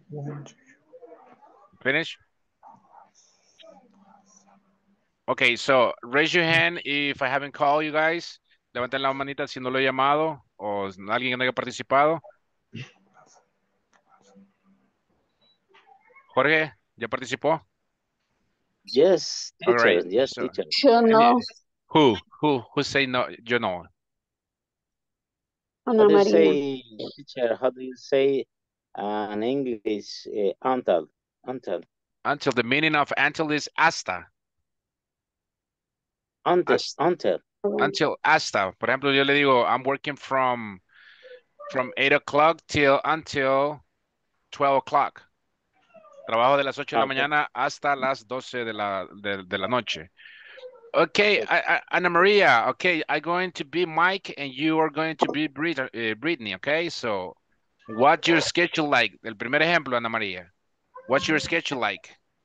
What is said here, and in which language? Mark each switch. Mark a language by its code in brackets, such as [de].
[en] What's your schedule? Finish? Okay, so raise your hand if I haven't called you guys. [es] Levanten la manita si no lo he llamado o alguien que no haya participado. Jorge, ¿ya participó? [en] Yes, teacher. Right. Yes, so, teacher. [es] Yo no. [en] Who say no? [es] Yo no. [en] How do you say, teacher? How do you say in English until? Until. Until, the meaning of until is hasta. Until [es] hasta. Por ejemplo, yo le digo, [en] I'm working from 8 o'clock till until 12 o'clock. [es] Trabajo de las 8 de la mañana hasta las 12 de la noche. [en] Okay, Ana María, okay, I'm going to be Mike and you are going to be Brittany, okay? So, what's your schedule like? [es] El primer ejemplo, [en] Ana María. What's your schedule like?